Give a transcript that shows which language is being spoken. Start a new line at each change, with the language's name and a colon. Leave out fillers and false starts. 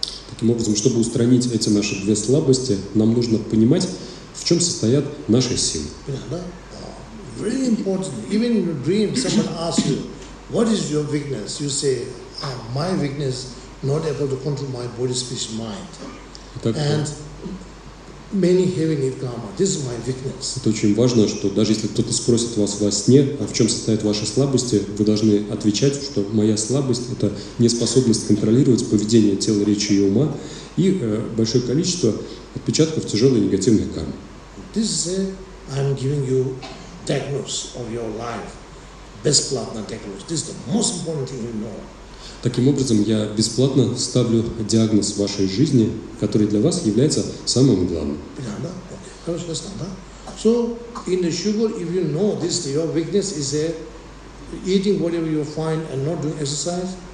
Russian: Таким образом, чтобы устранить эти наши две слабости, нам нужно понимать, в чем состоят наши силы. Понятно, да?
English: Very important. Even in a dream, someone asks you, what is your weakness? You say, my weakness, not able to control my body, speech, mind. And many heavy nirkama. This is my weakness.
Russian: Это очень важно, что даже если кто-то спросит вас во сне, а в чем состоят ваши слабости, вы должны отвечать, что моя слабость – это неспособность контролировать поведение тела, речи и ума и большое количество отпечатков тяжелой негативной кармы.
English: This is I'm giving you diagnosis of your life.
Russian: Бесплатно
English: diagnosis. This is the most important thing you know.
Russian: Таким образом, я бесплатно ставлю диагноз вашей жизни, который для вас является самым главным. Хорошо, ясно, да?
English: So, in the sugar, if you know this, your weakness is eating whatever you find and not doing exercise.